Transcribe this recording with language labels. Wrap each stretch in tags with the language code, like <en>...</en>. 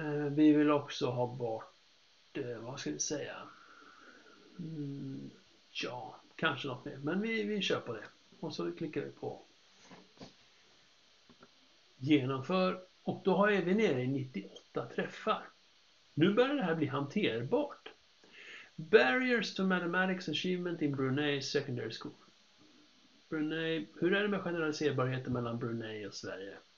<sv>Vi vill också ha bort, vad ska vi säga? Ja, kanske något mer, men vi kör på det. Och så klickar vi på genomför och då är vi nere i 98 träffar. Nu börjar det här bli hanterbart.</sv> <en>Barriers to mathematics achievement in Brunei secondary school.</en> <sv>Brunei, hur är det med generaliserbarheten mellan Brunei och Sverige?</sv>